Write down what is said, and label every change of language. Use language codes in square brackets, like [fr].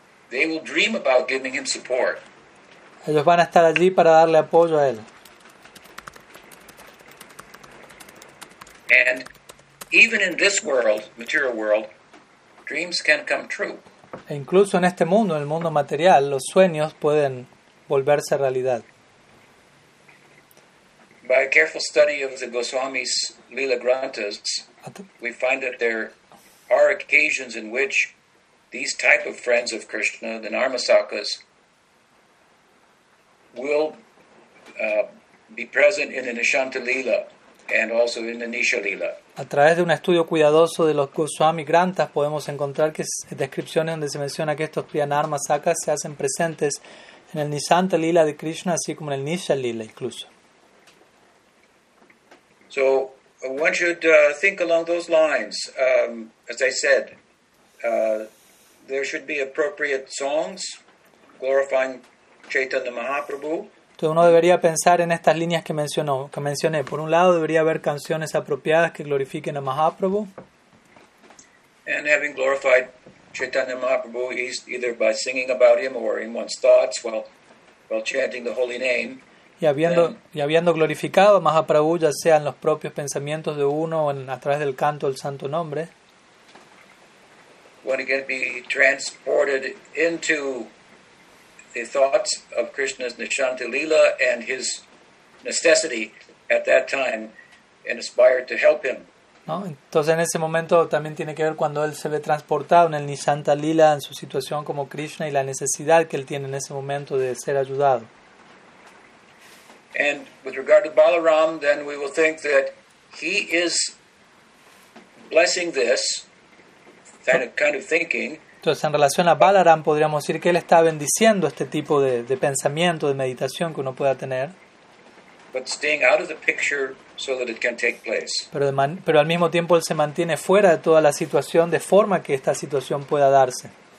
[en] They will dream about giving him support. [es] Ellos van a estar allí para darle apoyo a él. [en] And even in this world, material world, dreams can come true. [es] E incluso en este mundo, en el mundo material, los sueños pueden volverse realidad. [en] By a careful study of the Goswami's Lila Granthas, we find that there are occasions in which these type of friends of Krishna, the Narmasakas, will be present in the Nishanta Lila and also in the Nisha Lila. [es] A través de un estudio cuidadoso de los Goswami Granthas podemos encontrar que es descripciones donde se menciona que estos Priyanarmasakas se hacen presentes en el Nishanta Lila de Krishna, así como en el Nisha Lila incluso. [en] So one should think along those lines. As I said, there should be appropriate songs glorifying Chaitanya Mahaprabhu. [es] Entonces uno debería pensar en estas líneas que mencionó, que mencioné. Por un lado, debería haber canciones apropiadas que glorifiquen a Mahaprabhu. [en] And having glorified Chaitanya Mahaprabhu, he's either by singing about him or in one's thoughts while chanting the holy name. [es] Y habiendo glorificado a Mahaprabhu, ya sea en los propios pensamientos de uno o a través del canto del santo nombre, [en] one can be transported into the thoughts of Krishna's Nishanta Lila and his necessity at that time and aspire to help him. [es] ¿No? Entonces en ese momento también tiene que ver cuando él se ve transportado en el Nishanta Lila, en su situación como Krishna y la necesidad que él tiene en ese momento de ser ayudado. [en] And with regard to Balaram, then we will think that he is blessing this kind of thinking. [es] Entonces, en relación a Balaram, podríamos decir que él está bendiciendo este tipo de pensamiento, de meditación que uno pueda tener. [en] But staying out of the picture so that it can take place. [es] Pero al mismo tiempo él se mantiene fuera de toda la situación de forma que esta situación pueda darse.